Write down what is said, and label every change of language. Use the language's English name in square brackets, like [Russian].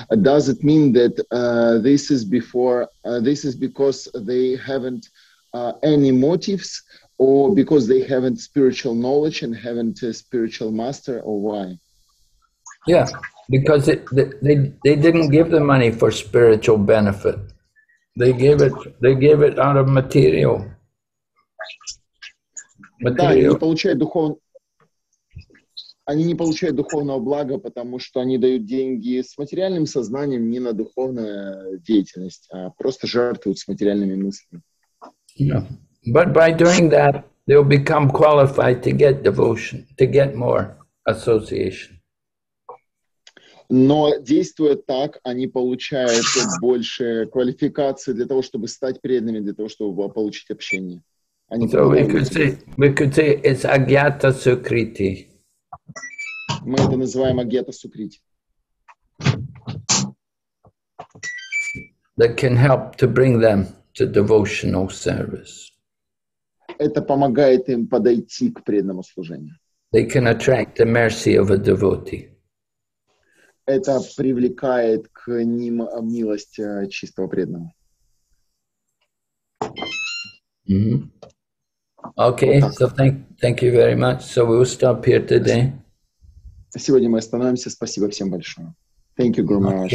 [English] Does it mean that this is because they haven't any motives, or because they haven't spiritual knowledge and haven't a spiritual master, or why? Yeah. Because they didn't give the money for spiritual benefit, they gave it out of material. [Russian] Да, не получает духов. они не получают духовного блага, потому что они дают деньги с материальным сознанием не на духовную деятельность, а просто жертвуют с материальными мыслями. [English] But by doing that, they'll become qualified to get devotion, to get more association. [Russian] Но действуя так, они получают больше квалификации для того, чтобы стать преданными, для того, чтобы получить общение. [English] Они so we could say it's agyata sukriti. [Russian] Мы это называем агьята сукрити. [English] That can help to bring them to devotional service. [Russian] Это помогает им подойти к преданному служению. [English] They can attract the mercy of a devotee. [Russian] Это привлекает к ним милость чистого преданного. [English] Mm-hmm. Okay, вот so thank you very much. So we will stop here today. [Russian] Сегодня мы остановимся. Спасибо всем большое. Thank you, Guru Maharaj.